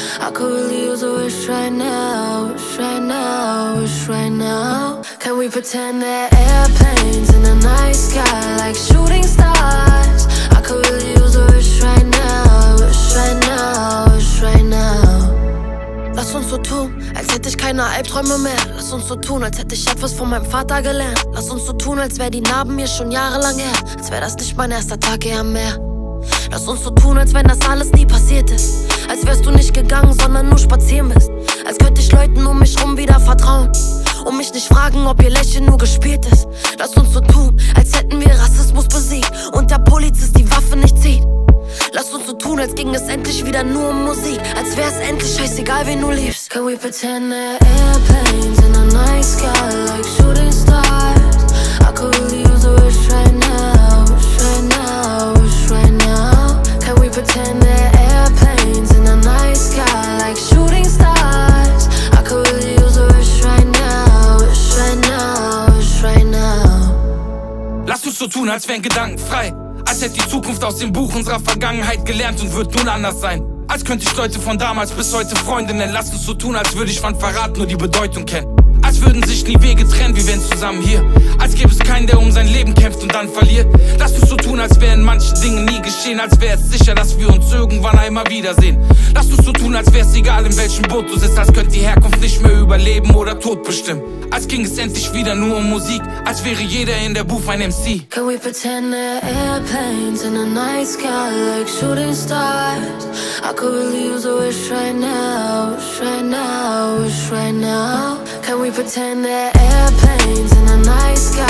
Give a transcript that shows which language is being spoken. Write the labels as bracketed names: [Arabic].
[English] I could really use a wish right now, wish right now, wish right now. Can we pretend that airplanes in the night sky like shooting stars? I could really use a wish right now, wish right now, wish right now. [German] Lass uns so tun, als hätte ich keine Albträume mehr. Lass uns so tun, als hätte ich etwas von meinem Vater gelernt. Lass uns so tun, als wär die Narben mir schon jahrelang her. Als wär das nicht mein erster Tag hier am Meer. Lass uns so tun, als wenn das alles nie passiert ist. Als wärst du nicht gegangen, sondern nur spazieren bist. Als könnte ich Leuten um mich rum wieder vertrauen und mich nicht fragen, ob ihr Lächeln nur gespielt ist. Lass uns so tun, als hätten wir Rassismus besiegt und der Polizist die Waffe nicht zieht. Lass uns so tun, als ging es endlich wieder nur um Musik. Als wär's endlich scheißegal, wen du liebst. [English] Can we pretend that airplanes in the night sky like shooting stars? I could really use a wish right now, wish right now, wish right now. Can we pretend that airplanes in the night sky like shooting stars? I could really use a wish right now, wish right now, wish right now. [German] Lass uns so tun, als wären Gedanken frei. Als hätte die Zukunft aus dem Buch unserer Vergangenheit gelernt und wird nun anders sein. Als könnte ich Leute von damals bis heute Freunde nennen. Lass uns so tun, als würde ich von Verrat nur die Bedeutung kennen. Als würden sich nie Wege trennen, wie wenn zusammen hier. Als gäbe es keinen, der um sein Leben kämpft und dann verliert. Lass uns so tun, als wären manche Dinge nie geschehen. Als wäre es sicher, dass wir uns irgendwann einmal wiedersehen. Lass uns so tun, als wäre es egal, in welchem Boot du sitzt. Als könnte die Herkunft nicht mehr über Leben oder Tod bestimmen. Als ging es endlich wieder nur um Musik. Als wäre jeder in der Booth ein MC. [English] Can we pretend that airplanes in the night sky like shooting stars? I could really use a wish right now, wish right now, wish right now. Can we pretend that airplanes in the night sky?